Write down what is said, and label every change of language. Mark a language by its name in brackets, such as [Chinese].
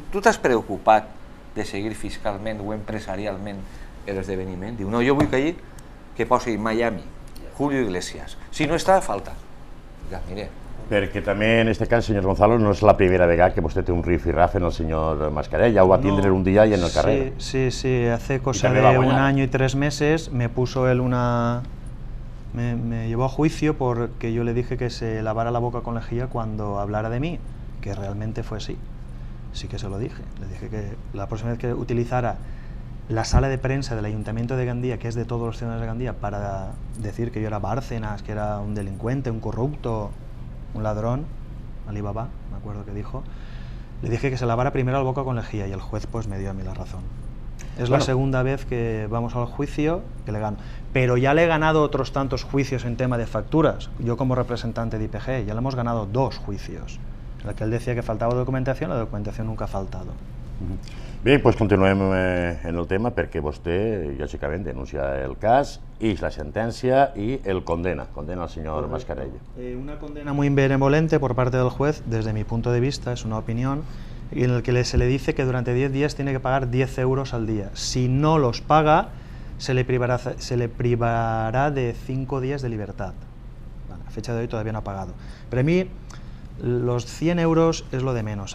[Catalan] Tu t'has preocupat de seguir fiscalment o empresarialment l'esdeveniment? Diu, no, jo vull que hi que posi Miami, Julio Iglesias. Si no està, falta. Ja, mire, perquè també en aquest cas, senyor Gonzalo, no és la primera vegada que vostè té un riff i raff en el senyor Mascarell, ja ho va tindre un dia i en el carrer. [Spanish] Sí, sí, hace cosa de un año y tres meses me puso él una... me llevó a juicio porque yo le dije que se lavara la boca con lejía cuando hablara de mí, que realmente fue así. Sí que se lo dije, le dije que la próxima vez que utilizara la sala de prensa del Ayuntamiento de Gandía, que es de todos los ciudadanos de Gandía, para decir que yo era Bárcenas, que era un delincuente, un corrupto, un ladrón, Alibaba, me acuerdo que dijo, le dije que se lavara primero la boca con lejía y el juez pues me dio a mí la razón. Es la segunda vez que vamos al juicio que le gano. Pero ya le he ganado otros tantos juicios en tema de facturas. Yo como representante de IPG ya le hemos ganado dos juicios. En el que él decía que faltaba documentación, la documentación nunca ha faltado. [Catalan] Bien, pues continuem en el tema perquè vostè, lògicament, denuncia el cas, eix la sentència i el condena, condena el senyor Mascarell. [Spanish] Una condena muy benevolente por parte del juez, desde mi punto de vista, es una opinión, en el que se le dice que durante 10 días tiene que pagar 10 euros al día. Si no los paga, se le privará de 5 días de libertad. Bueno, a fecha de hoy todavía no ha pagado. Pero a mí... los 100 euros es lo de menos.